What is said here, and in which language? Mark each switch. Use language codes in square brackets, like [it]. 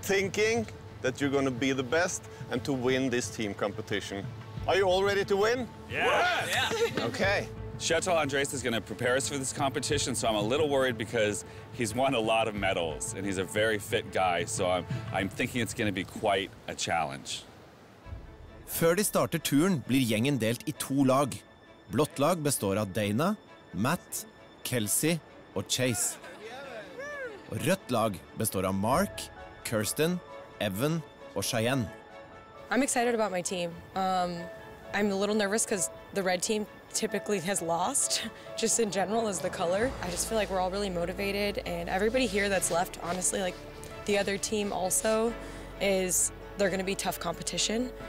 [en] Thinking that you're going to be the best and to win this team competition. Are you all ready to win? Yes! Yeah. Okay. Kjetil Andres is going to prepare us for this competition, so I'm a little worried because he's won a lot of medals and he's a very fit guy, so I'm thinking it's going to be quite a challenge. [no] Før de starter turen blir gjengen delt i to lag. Blått lag består av Dana, Matt, Kelsey og Chase. Og rødt lag består av Mark, Kirsten, Evan og Cheyenne. [en] I'm excited about my team. I'm a little nervous because the red team typically has lost, just in general as the color. I just feel like we're all really motivated and everybody here that's left, honestly, like the other team also is, they're gonna be tough competition.